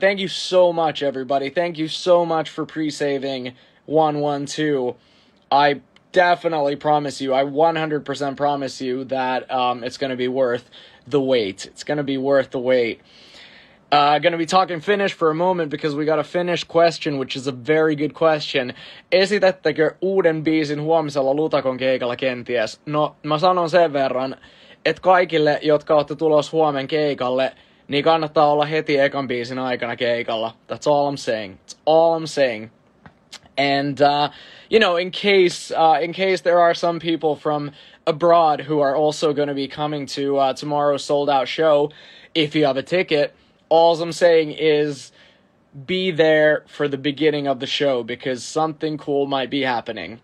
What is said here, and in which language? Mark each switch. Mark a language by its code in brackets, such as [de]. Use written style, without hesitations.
[en] Thank you so much, everybody. Thank you so much for pre-saving 112. I definitely promise you, I 100% promise you that it's going to be worth the wait. It's going to be worth the wait. Going to be talking Finnish for a moment because we got a Finnish question, which is a very good question. [fi] Esitättekö uuden biisin huomisella Lutakon keikalla kenties? No, mä sanon sen verran, että kaikille, jotka olette tulossa huomen keikalle, niin kannattaa olla heti ekan biisin aikana keikalla. [en] That's all I'm saying. That's all I'm saying. And, you know, in case there are some people from abroad who are also going to be coming to tomorrow's sold-out show, if you have a ticket, all I'm saying is be there for the beginning of the show because something cool might be happening.